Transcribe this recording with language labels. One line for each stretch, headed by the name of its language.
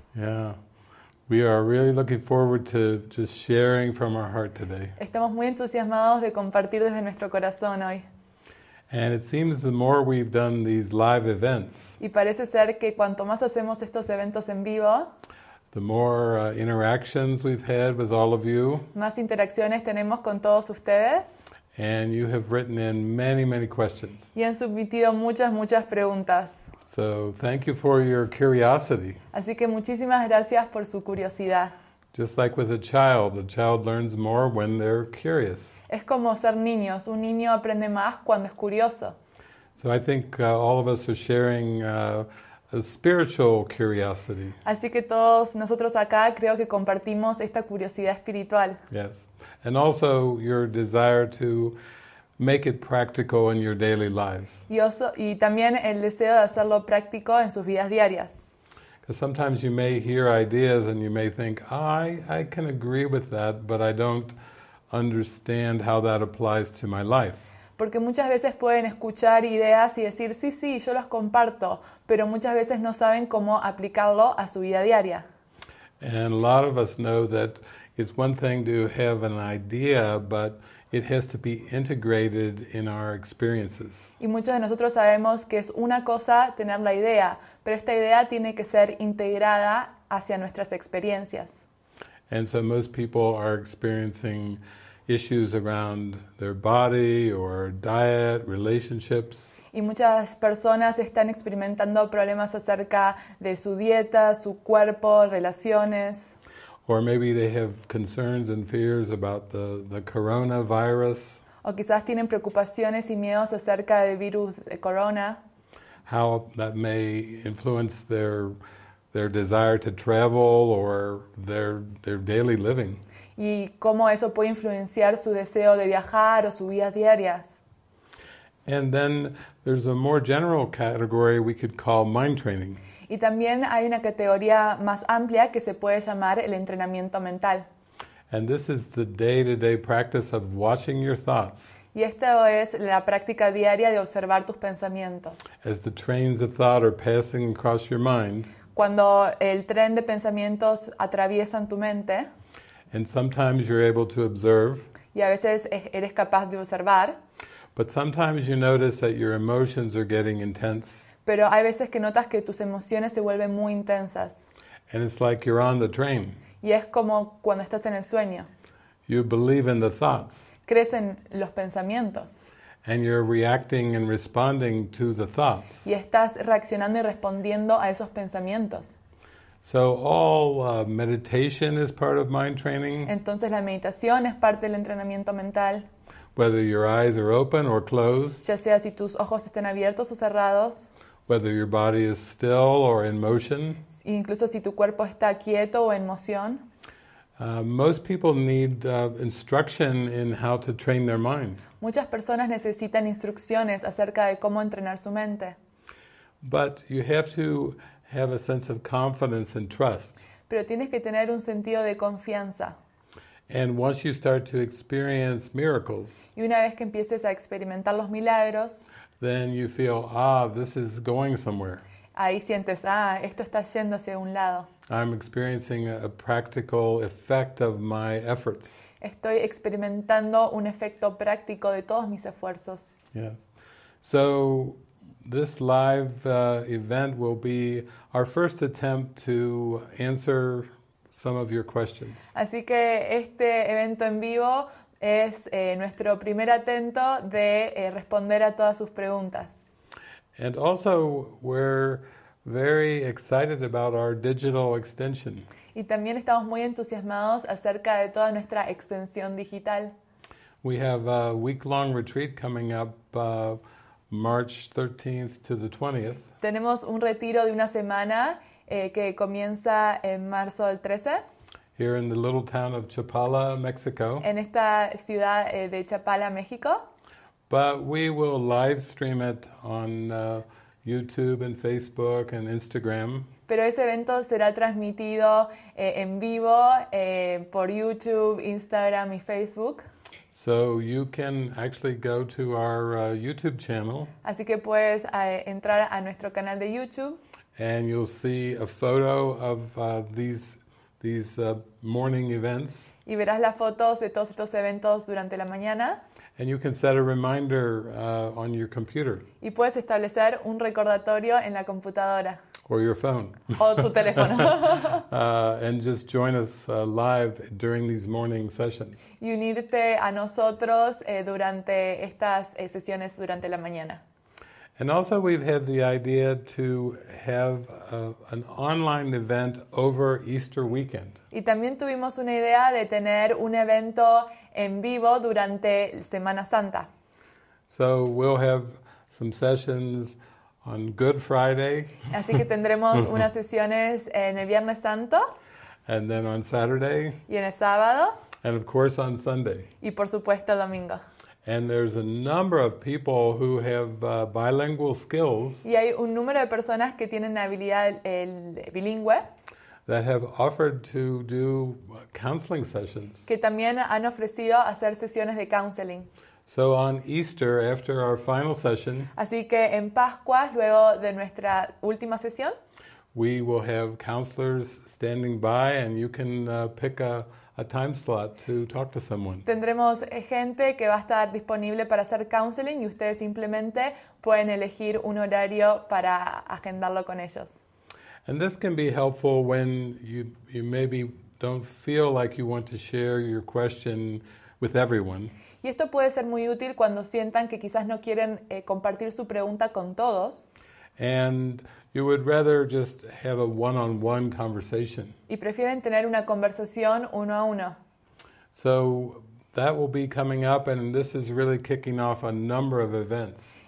English: Yeah, we are really looking forward to just sharing from our heart today.
Spanish: Estamos muy entusiasmados de compartir desde nuestro corazón hoy.
English: And it seems the more we've done these live events,
Spanish: y parece ser que cuanto más hacemos estos eventos en vivo,
English: the more interactions we've had with all of you,
Spanish: más interacciones tenemos con todos ustedes.
English: And you have written in many, many questions.
Spanish: Y han submitido muchas, muchas preguntas.
English: So thank you for your curiosity.
Spanish: Así que muchísimas gracias por su curiosidad.
English: Just like with a child learns more when they're curious.
Spanish: Es como ser niños. Un niño aprende más cuando es curioso.
English: So I think all of us are sharing a spiritual curiosity.
Spanish: Así que todos nosotros acá creo que compartimos esta curiosidad espiritual.
English: Yes. And also your desire to make it practical in your daily lives.
Spanish: Y también el deseo de hacerlo práctico en sus vidas diarias.
English: Because sometimes you may hear ideas and you may think, oh, I can agree with that, but I don't understand how that applies to my life.
Spanish: Porque muchas veces pueden escuchar ideas y decir, sí, sí, yo las comparto, pero muchas veces no saben cómo aplicarlo a su vida diaria.
English: And a lot of us know that it's one thing to have an idea, but it has to be integrated in our experiences.
Spanish: Y muchos de nosotros sabemos que es una cosa tener la idea, pero esta idea tiene que ser integrada hacia nuestras experiencias.
English: And so most people are experiencing issues around their body or diet, relationships.
Spanish: Y muchas personas están experimentando problemas acerca de su dieta, su cuerpo, relaciones.
English: Or maybe they have concerns and fears about the coronavirus.
Spanish: O quizás tienen preocupaciones y miedos acerca del virus de corona.
English: How that may influence their desire to travel or their daily living.
Spanish: Y cómo eso puede influenciar su deseo de viajar o sus vidas diarias.
English: And then there's a more general category we could call mind training.
Spanish: Y también hay una categoría más amplia que se puede llamar el entrenamiento mental.
English: And this is the day-to-day practice of watching your thoughts.
Spanish: Y esta es la práctica diaria de observar tus pensamientos.
English: As the trains of thought are passing across your mind.
Spanish: Cuando el tren de pensamientos atraviesan tu mente.
English: And sometimes you're able to observe.
Spanish: Y a veces eres capaz de observar.
English: But sometimes you notice that your emotions are getting intense.
Spanish: Pero hay veces que notas que tus emociones se vuelven muy intensas.
English: And it's like you're on the train.
Spanish: Y es como cuando estás en el sueño.
English: You believe in the thoughts.
Spanish: Crees en los pensamientos.
English: And you're reacting and responding to the thoughts.
Spanish: Y estás reaccionando y respondiendo a esos pensamientos.
English: So all meditation is part of mind training.
Spanish: Entonces la meditación es parte del entrenamiento mental.
English: Whether your eyes are open or closed.
Spanish: Ya sea si tus ojos estén abiertos o cerrados.
English: Whether your body is still or in motion.
Spanish: Incluso si tu cuerpo está quieto o en moción.
English: Most people need instruction in how to train their mind.
Spanish: Muchas personas necesitan instrucciones acerca de cómo entrenar su mente.
English: But you have to have a sense of confidence and trust.
Spanish: Pero tienes que tener un sentido de confianza.
English: And once you start to experience miracles,
Spanish: y una vez que empieces a experimentar los milagros,
English: then you feel, ah, this is going somewhere.
Spanish: Ahí sientes, ah, esto está yendo hacia un lado.
English: I'm experiencing a practical effect of my efforts.
Spanish: Estoy experimentando un efecto práctico de todos mis esfuerzos.
English: Yes. So this live event will be our first attempt to answer some of your questions.
Spanish: Así que este evento en vivo es nuestro primer intento de responder a todas sus preguntas.
English: And also, we're very excited about our digital extension.
Spanish: Y también estamos muy entusiasmados acerca de toda nuestra extensión digital.
English: We have a week-long retreat coming up March 13th to the 20th.
Spanish: Tenemos un retiro de una semana que comienza en marzo del 13.
English: Here in the little town of Chapala, Mexico.
Spanish: En esta ciudad de Chapala, México.
English: But we will live stream it on YouTube and Facebook and Instagram.
Spanish: Pero ese evento será transmitido en vivo por YouTube, Instagram y Facebook.
English: So you can actually go to our YouTube channel.
Spanish: Así que puedes entrar a nuestro canal de YouTube.
English: And you'll see a photo of these morning events.
Spanish: Y verás las fotos de todos estos eventos durante la mañana.
English: And you can set a reminder on your computer.
Spanish: Y puedes establecer un recordatorio en la computadora.
English: Or your phone.
Spanish: O tu teléfono.
English: And just join us live during these morning sessions.
Spanish: Y unirte a nosotros durante estas sesiones durante la mañana.
English: And also we've had the idea to have an online event over Easter weekend.
Spanish: Y también tuvimos una idea de tener un evento en vivo durante Semana Santa.
English: So we'll have some sessions on Good Friday.
Spanish: Así que tendremos unas sesiones en el Viernes Santo.
English: And then on Saturday.
Spanish: Y en el sábado.
English: And of course on Sunday.
Spanish: Y por supuesto domingo.
English: And there's a number of people who have bilingual skills.
Spanish: Y hay un número de personas que tienen habilidad bilingüe.
English: That have offered to do counseling sessions.
Spanish: Que también han ofrecido hacer sesiones de counseling.
English: So on Easter, after our final session.
Spanish: Así que en Pascua, luego de nuestra última sesión.
English: We will have counselors standing by, and you can pick a time slot to talk to someone.
Spanish: Tendremos gente que va a estar disponible para hacer counseling y ustedes simplemente pueden elegir un horario para agendarlo con ellos.
English: And this can be helpful when you maybe don't feel like you want to share your question with everyone.
Spanish: Y esto puede ser muy útil cuando sientan que quizás no quieren compartir su pregunta con todos.
English: And you would rather just have a one-on-one conversation.
Spanish: Y prefieren tener una conversación uno a uno.
English: So that will be coming up, and this is really kicking off a number of events.